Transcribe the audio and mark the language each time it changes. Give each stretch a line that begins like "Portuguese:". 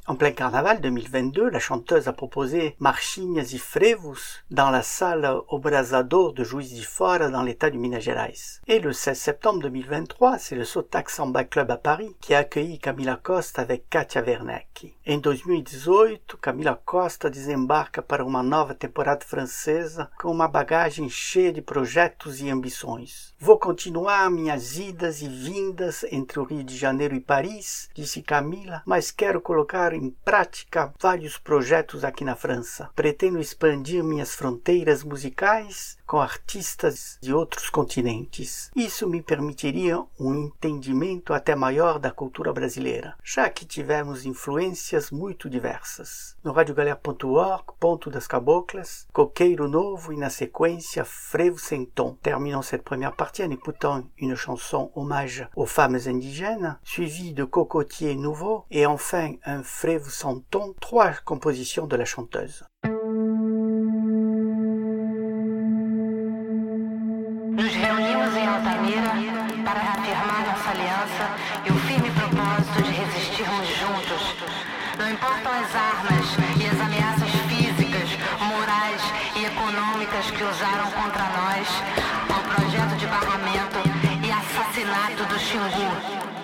French: En plein carnaval 2022, la chanteuse a proposé Marchinhas e Frevos dans la salle Obrasador de Juiz de Fora dans l'état du Minas Gerais. Et le 16 septembre 2023, c'est le Sotax Samba Club à Paris qui a accueilli Camila Costa avec Katia Werneck.
Portuguese: Em 2018, Camila Costa desembarca para uma nova temporada francesa com uma bagagem cheia de projetos e ambições. Vou continuar minhas idas e vindas entre o Rio de Janeiro e Paris, disse Camila, mas quero colocar em prática vários vários projetos aqui na França. Pretendo expandir minhas fronteiras musicais com artistas de outros continentes. Isso me permitiria um entendimento até maior da cultura brasileira, já que tivemos influências muito diversas. No radiogalera.org, Ponto das Caboclas, Coqueiro Novo e na sequência Frevo Sem Tom.
French: Terminons cette première partie en écoutant une chanson hommage aux femmes indigènes, suivie de Cocotier Nouveau et enfin un Frevo Sem Tom, trois compositions de la chanteuse.
Portuguese: Nos reunimos em Altamira para reafirmar nossa aliança e o firme propósito de resistirmos juntos. Não importam as armas e as ameaças físicas, morais e econômicas que usaram contra nós ao projeto de barramento e assassinato do Xingu.